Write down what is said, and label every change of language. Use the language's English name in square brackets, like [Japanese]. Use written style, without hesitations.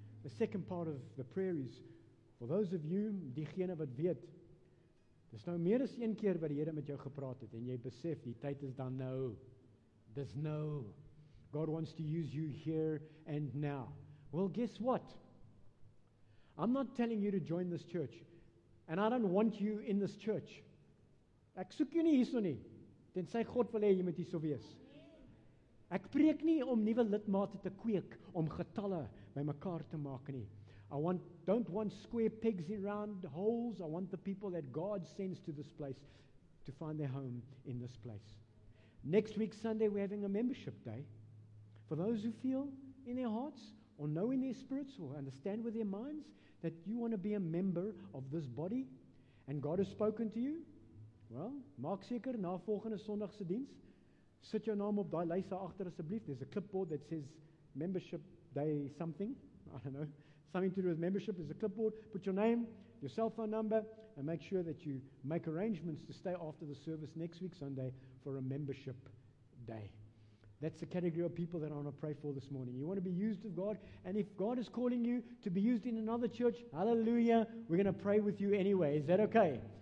[English] The second part of the prayer is, for those of you, [Afrikaans] diegene wat weet, dis nou meer as een keer wat die Here met jou gepraat het, en jy besef, die tyd is dan nou. Dis nou. [English] God wants to use you here and now. Well, guess what? I'm not telling you to join this church, and I don't want you in this church. [Afrikaans] Ek soek jou nie hierso nie, tensy God wil hê jy moet hierso wees. Ek preek nie om nuwe lidmate te kweek, om getalle by mekaar te maak nie. [English] I don't want square pegs in round holes. I want the people that God sends to this place to find their home in this place. Next week, Sunday, we're having a membership day. For those who feel in their hearts or know in their spirits or understand with their minds that you want to be a member of this body and God has spoken to you, well, [Afrikaans] maak seker na volgende Sondag se diens. Sit jou naam op die lys daar agter asseblief. [English] There's a clipboard that says membership day something. I don't know. Something to do with membership is a clipboard. Put your name, your cell phone number, and make sure that you make arrangements to stay after the service next week, Sunday, for a membership day. That's the category of people that I want to pray for this morning. You want to be used of God, and if God is calling you to be used in another church, hallelujah, we're going to pray with you anyway. Is that okay?